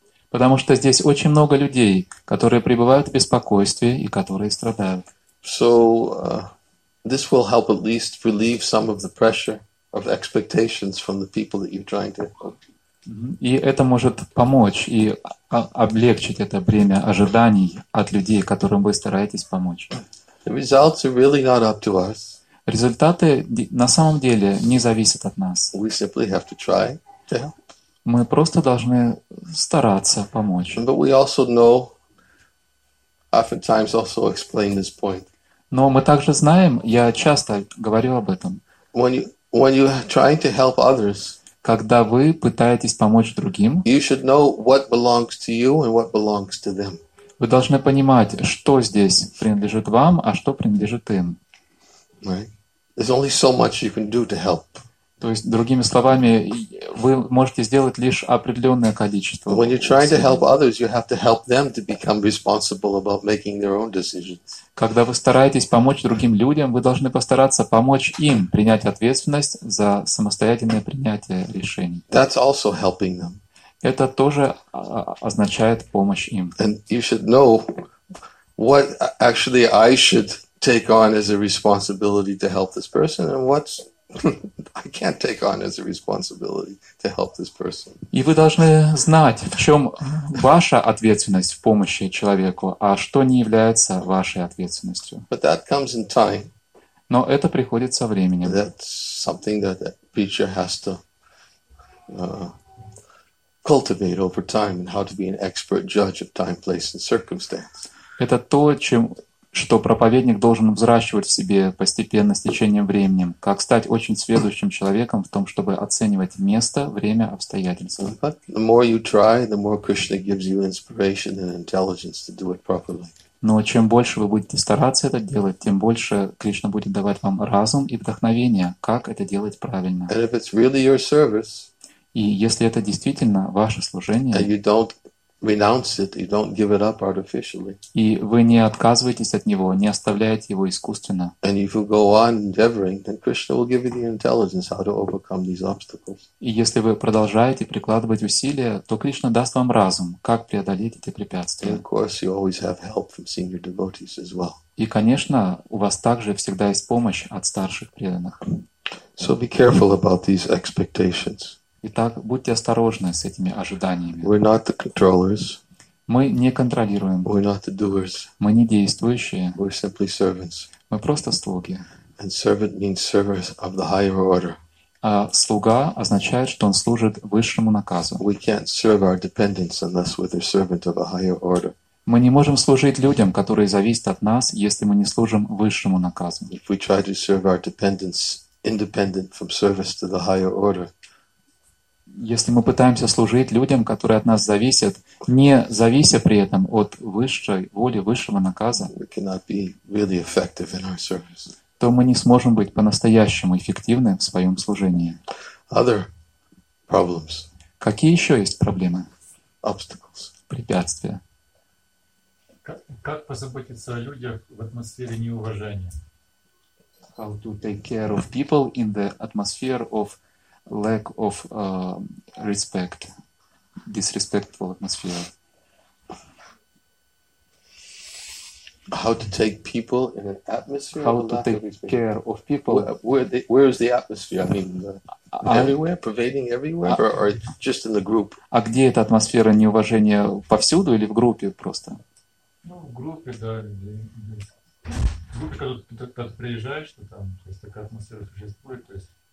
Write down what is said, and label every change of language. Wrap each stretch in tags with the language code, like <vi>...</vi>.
<ru>Потому что здесь очень много людей, которые пребывают в беспокойстве и которые страдают.</ru> <en>So, this will help at least relieve some of the pressure of expectations from the people that you're trying to help.</en> <ru>И это может помочь и облегчить это бремя ожиданий от людей, которым вы стараетесь помочь.</ru> <en>The results are really not up to us.</en> <ru>Результаты на самом деле не зависят от нас.</ru> <en>We simply have to try to help.</en> <ru>Мы просто должны стараться помочь.</ru> <en>But we also know, oftentimes also explain this point.</en> <ru>Но мы также знаем, я часто говорю об этом.</ru> <en>When you are trying to help others,</en> <ru>когда вы пытаетесь помочь другим,</ru> <en>you should know what belongs to you and what belongs to them.</en> <ru>Вы должны понимать, что здесь принадлежит вам, а что принадлежит им.</ru> <en>There's only so much you can do to help.</en> <ru>То есть, другими словами, вы можете сделать лишь определенное количество.</ru> <en>When you're trying to help others, you have to help them to become responsible about making their own decisions.</en> <ru>Когда вы стараетесь помочь другим людям, вы должны постараться помочь им принять ответственность за самостоятельное принятие решений.</ru> <en>That's also helping them.</en> <ru>Это тоже означает помощь им.</ru> <en>And you should know what actually I should take on as a responsibility to help this person, and what I can't take on as a responsibility to help this person.</en> <ru>И вы должны знать, в чем ваша ответственность в помощи человеку, а что не является вашей ответственностью.</ru> <en>But that comes in time.</en> <ru>Но это приходит со временем.</ru> <en>That's something that a preacher has to cultivate over time and how to be an expert judge of time, place, and circumstance.</en> <ru>Это то, что проповедник должен взращивать в себе постепенно с течением времени, как стать очень сведущим человеком в том, чтобы оценивать место, время, обстоятельства.</ru> <en>But the more you try, the more Krishna gives you inspiration and intelligence to do it properly.</en> <ru>Но чем больше вы будете стараться это делать, тем больше Кришна будет давать вам разум и вдохновение, как это делать правильно.</ru> <en>And if it's really your service,</en> <ru>и если это действительно ваше служение,</ru> <en>and you don't renounce it, you don't give it up artificially,</en> <ru>и вы не отказываетесь от него, не оставляете его искусственно,</ru> <en>and if you go on endeavoring, then Krishna will give you the intelligence how to overcome these obstacles.</en> <ru>И если вы продолжаете прикладывать усилия, то Кришна даст вам разум, как преодолеть эти препятствия.</ru> <en>And of course, you always have help from senior devotees as well.</en> <ru>И, конечно, у вас также всегда есть помощь от старших преданных.</ru> <en>So be careful about these expectations.</en> <ru>Итак, будьте осторожны с этими ожиданиями.</ru> <en>We're not the controllers.</en> <ru>Мы не контролируем.</ru> <en>We're not the doers.</en> <ru>Мы не действующие.</ru> <en>We're simply servants.</en> <ru>Мы просто слуги.</ru> <en>And servant means servers of the higher order.</en> <ru>А слуга означает, что он служит высшему наказу.</ru> <en>We can't serve our dependents unless we're the servant of a higher order.</en> <ru>Мы не можем служить людям, которые зависят от нас, если мы не служим высшему наказу.</ru> <en>If we try to serve our dependents independent from service to the higher order,</en> <ru>если мы пытаемся служить людям, которые от нас зависят, не завися при этом от высшей воли, высшего наказа,</ru> <en>we cannot be really effective in our service,</en> <ru>то мы не сможем быть по-настоящему эффективны в своем служении.</ru> <en>Other problems.</en> <ru>Какие еще есть проблемы?</ru> <en>Obstacles.</en> <ru>Препятствия. Как позаботиться о людях в атмосфере неуважения?</ru> <en>How to take care of people in the atmosphere of lack of respect, disrespectful atmosphere. How to take people in an atmosphere? How to take care of people? Where is the atmosphere? I mean, everywhere, pervading everywhere, or just in the group?</en> <ru>А где эта атмосфера неуважения, повсюду или в группе просто? Ну, в группе, да. В группе, когда ты приезжаешь, то там, то есть такая атмосфера существует, то есть.</ru>